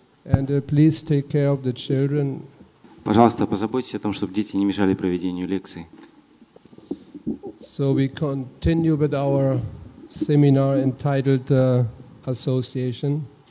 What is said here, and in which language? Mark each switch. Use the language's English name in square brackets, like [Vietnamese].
[English] And please take care of the children. [Russian] Пожалуйста, позаботьтесь о том, чтобы дети не мешали проведению лекции. [English] So we continue with our seminar entitled Association.